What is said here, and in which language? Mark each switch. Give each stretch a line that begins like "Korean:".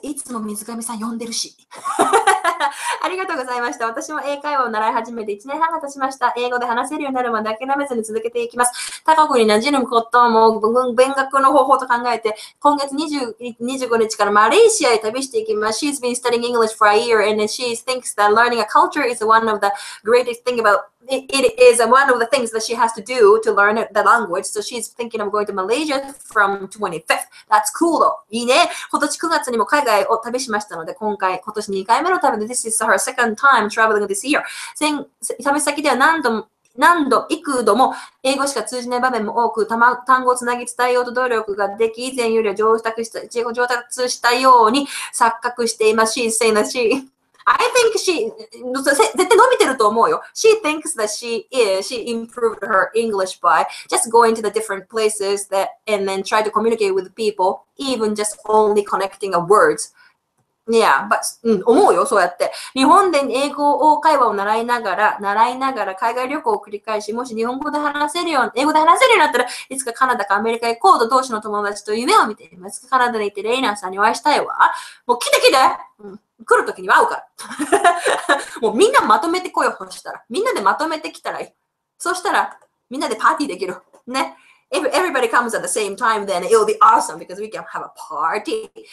Japanese: いつも水上さん呼んでるし。ありがとうございました。私も英会話を習い始めて1年半が経ちました。英語で話せるようになるまで諦めずに続けていきます。他国に馴染むことも勉学の方法と考えて、今月25日からマレーシアへ旅していきます。
English: She's been studying English for a year and she thinks that learning a culture is one of the greatest thing about it is one of the things that she has to do to learn the language. So she's thinking of going to Malaysia from 25th. That's cool though.
Japanese: いいね。今年9月にも海外を旅しましたので、今年2回目の旅で、
English: This is her second time traveling this year.
Japanese: 旅先では何度、幾度も英語しか通じない場面も多く、単語をつなぎ伝えようと努力ができ、以前よりは上達したように錯覚しています。
English: She's saying that she... I think she,
Japanese: 絶対伸びてると思うよ。
English: She thinks that she improved her English by just going to the different places that, and then try to communicate with people, even just only connecting a words.
Japanese: Yeah, but, 思うよ、そうやって。日本で英語を会話を習いながら海外旅行を繰り返し、もし日本語で話せるよう、英語で話せるようになったら、いつかカナダかアメリカへ行こうと同士の友達と夢を見ています。カナダに行ってレイナーさんにお会いしたいわ。もう来て来て、うん来るときに会うから。もうみんなまとめて来よ、そしたら。みんなでまとめてきたらいい。そしたら、みんなでパーティーできる。ね。
English: Everybody comes at the same time, then it'll be awesome because we can have a party.